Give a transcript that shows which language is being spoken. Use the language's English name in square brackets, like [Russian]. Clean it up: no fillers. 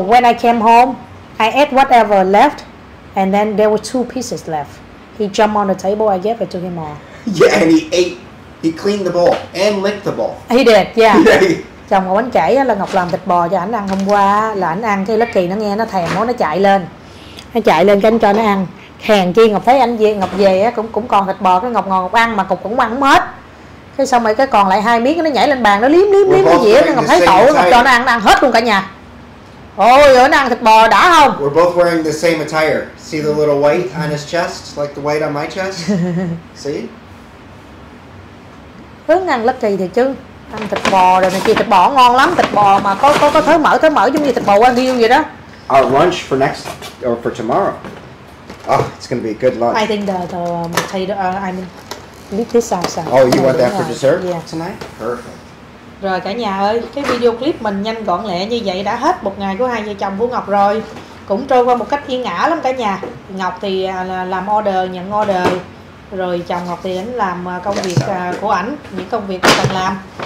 [English] when I came home, I ate whatever left, and then there were two pieces left. He jumped on the table, I gave it to him all. Yeah, and he ate. He cleaned the bowl and licked the bowl. He did, yeah. [Vietnamese] Chồng Ngọc anh kể là Ngọc làm thịt bò cho ảnh ăn hôm qua, là ảnh ăn cái Lucky nó nghe nó thèm món, nó chạy lên. Nó chạy lên cái anh cho nó ăn. Hèn chi Ngọc thấy anh về, Ngọc về cũng còn thịt bò, cái Ngọc ngon Ngọc ăn mà Ngọc cũng ăn hết. Cái xong rồi cái còn lại hai miếng nó nhảy lên bàn, nó liếm cái dĩa, Ngọc thấy tội, Ngọc cho nó ăn hết luôn cả nhà. Ôi, ảnh ăn thịt bò đã không? [English] We're both wearing the same attire. See the little white on his chest, like the white on my chest? See? [Vietnamese] Hướng ăn Lucky thì chứ. Ăn thịt bò rồi này kia, thịt bò ngon lắm, thịt bò mà có thớ mỡ giống như thịt bò Wagyu vậy đó. [English] Our lunch for next or for tomorrow. Oh, it's going to be a good lunch. I think the potato I mean leave this outside. Oh, you want that for dessert yeah. tonight? Perfect. [Vietnamese] Rồi cả nhà ơi, cái video clip mình nhanh gọn lẹ như vậy đã hết một ngày của hai vợ chồng của Ngọc rồi. Cũng trôi qua một cách yên ả lắm cả nhà. Ngọc thì làm order, nhận order. Rồi chồng Ngọc thì ảnh làm công việc của ảnh, những công việc cần làm.